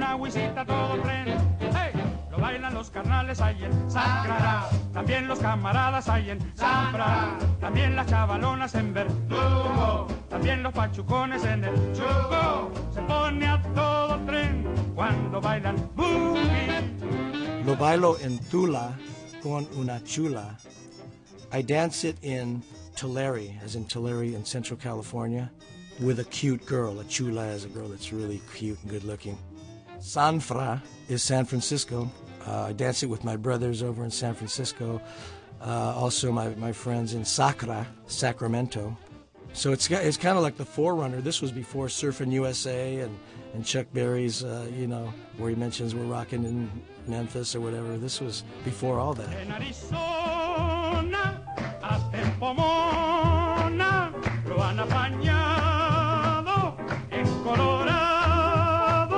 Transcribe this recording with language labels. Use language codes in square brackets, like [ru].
[es] Visita todo tren, hey, lo bailan los carnales ahí en Sangrará, también los camaradas ahí en Sambra, también las chavalonas en Verdugo, también los pachucones en el Chuco, se pone a todo tren cuando bailan boogie. Lo bailo en Tula con una chula. [en] I dance it in Tulare, as in Tulare in Central California, with a cute girl. A chula is a girl that's really cute and good looking. San Fra is San Francisco. I dance it with my brothers over in San Francisco. Also my friends in Sacra, Sacramento. So it's kind of like the forerunner. This was before Surfin' USA and Chuck Berry's, you know, where he mentions we're rocking in Memphis or whatever. This was before all that. [es] En Arizona, hasta en Pomona, lo han apañado en Colorado.